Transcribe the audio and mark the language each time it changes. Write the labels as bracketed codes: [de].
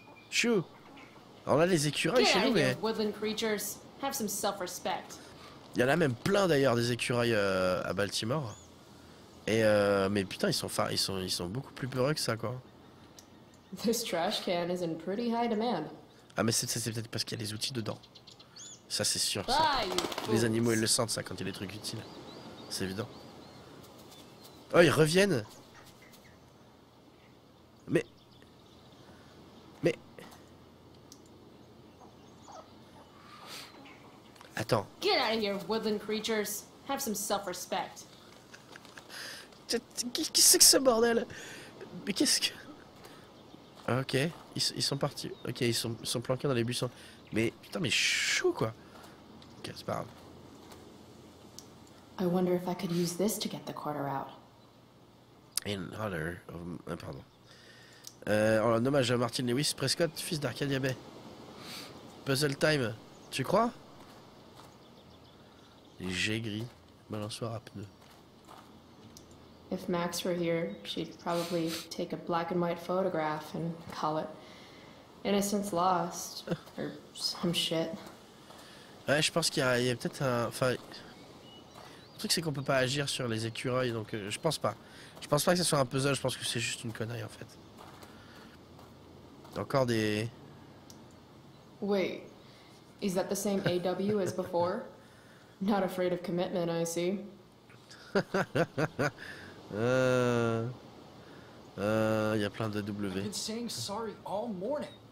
[fr] Chou. Alors là, les écureuils chez nous, mais... [en] Woodland creatures. Have some self-respect. [fr] Il y en a même plein d'ailleurs des écureuils à Baltimore. Et mais putain, ils sont beaucoup plus peureux que ça, quoi. [en] This trash can is in pretty high demand. [fr] Ah, mais c'est peut-être parce qu'il y a des outils dedans. Ça, c'est sûr. Ça. Ah, les animaux, ils le sentent, ça, quand il y a des trucs utiles. C'est évident. Oh, ils reviennent. Mais. Attends. [en] Get out of here, woodland creatures. Have some self-respect. [fr] Qu'est-ce que c'est que ce bordel? Mais qu'est-ce que... Ok, ils sont partis. Ok, ils sont planqués dans les buissons. Mais putain, mais chou quoi. Ok, c'est pas grave. [en] I wonder if I could use this to get the quarter out. In honor of... pardon. [fr] En hommage à Martin Lewis Prescott, fils d'Arcadia Bay. Puzzle time, tu crois? J'ai gris. Balançoire à pneus. [en] If Max were here, she'd probably take a black and white photograph and call it Innocence Lost, or some shit. [fr] Ouais, je pense qu'il y a peut-être un... Enfin, le truc, c'est qu'on peut pas agir sur les écureuils, donc je pense pas. Je pense pas que ce soit un puzzle, je pense que c'est juste une connerie, en fait. Encore des... [en] Wait, is that the same AW as before? Not afraid of commitment, I see. [fr] Il y a plein de W. [en] I've been saying sorry all morning.